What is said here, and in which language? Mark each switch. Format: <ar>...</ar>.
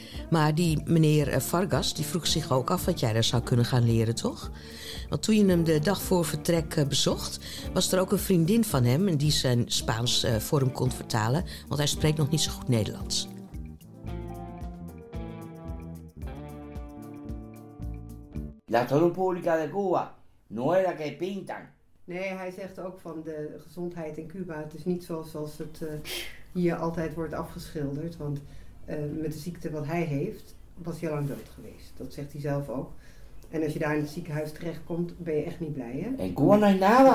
<nl>Maar die meneer Farkas, die vroeg zich ook af wat jij daar zou kunnen gaan leren, toch? Want toen je hem de dag voor vertrek bezocht, was er ook een vriendin van hem en die zijn Spaans voor hem kon vertalen, want hij spreekt nog niet zo goed Nederlands.</nl> <es>La salud pública de Cuba no es la que pintan.</es> <nl>Nee, hij zegt ook van de gezondheid in Cuba, het is niet zoals het hier altijd wordt afgeschilderd, want met de ziekte wat hij heeft, was hij al lang dood geweest. Dat zegt hij zelf ook. En als je daar in het ziekenhuis terechtkomt, ben je echt niet blij, hè?</nl> <es>En Cuba no hay nada.</es>